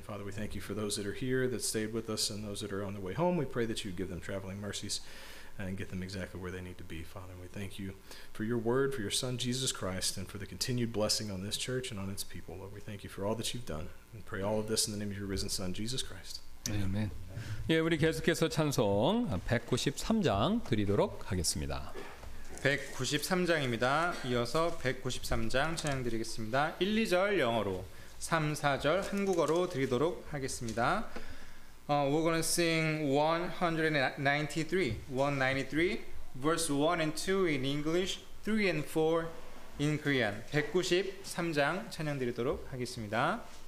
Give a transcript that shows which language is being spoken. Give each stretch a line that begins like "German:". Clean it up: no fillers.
English: Father, we thank you for those that are here, that stayed with us, and those that are on their way home. We pray that you give them traveling mercies and get them exactly where they need to be, Father. And we thank you for your word, for your son, Jesus Christ, and for the continued blessing on this church and on its people. Lord, we thank you for all that you've done. And pray all of this in the name of your risen son, Jesus Christ. Amen. Amen.
Korean: 예, 우리 계속해서 찬송 193장 드리도록 하겠습니다. 193장입니다. 이어서 193장 찬양 드리겠습니다. 1, 2절 영어로, 3, 4절 한국어로 드리도록 하겠습니다.
English: We're going to sing 193 verse 1 and 2 in English, 3 and 4 in Korean.
Korean: 193장 찬양 드리도록 하겠습니다.